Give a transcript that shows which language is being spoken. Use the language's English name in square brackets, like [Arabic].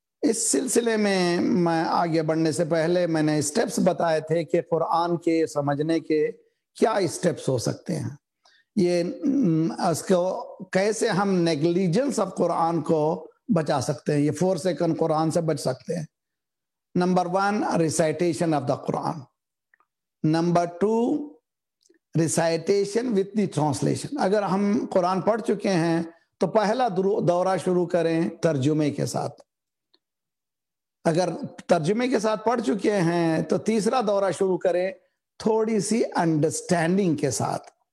[Urdu] اس سلسلے میں میں آگے بڑھنے سے پہلے میں نے اسٹیپس بتائے تھے کہ قرآن کے سمجھنے کے کیا اسٹیپس ہو سکتے ہیں, یہ اس کو کیسے ہم [English] negligence of Quran [Urdu] کو بچا سکتے ہیں, یہ فور سیکنڈ قرآن سے بچ سکتے ہیں. [English] Number one, recitation of the Quran. Number two, recitation with the translation. [Urdu] اگر ہم قرآن پڑھ چکے ہیں تو پہلا دورہ شروع کریں ترجمے کے ساتھ. اگر ترجمے کے ساتھ پڑھ چکے ہیں تو تیسرا دورہ شروع کریں تھوڑی سی انڈرسٹینڈنگ کے ساتھ.